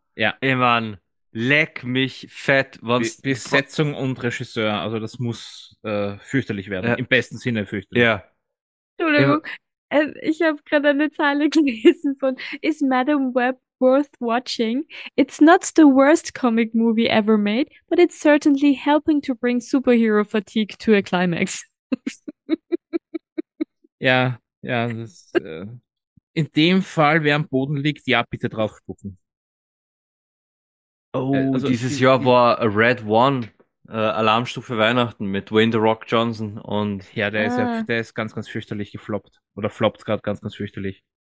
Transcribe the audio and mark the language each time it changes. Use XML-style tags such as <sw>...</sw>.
<de>Ja. Ich meine, leck mich fett. Besetzung und Regisseur, also das muss fürchterlich werden. Ja. Im besten Sinne fürchterlich. Ja. Entschuldigung, ich habe gerade eine Zeile gelesen von</de> <en>Is Madame Web worth watching? It's not the worst comic movie ever made, but it's certainly helping to bring superhero fatigue to a climax.</en> <de>Ja, das ist... In dem Fall, wer am Boden liegt, ja, bitte drauf spucken. Oh, also dieses Jahr war Red One, Alarmstufe Weihnachten mit Dwayne The Rock Johnson und... Ja, der ist ganz, ganz fürchterlich gefloppt. Oder floppt gerade ganz, ganz fürchterlich.</de>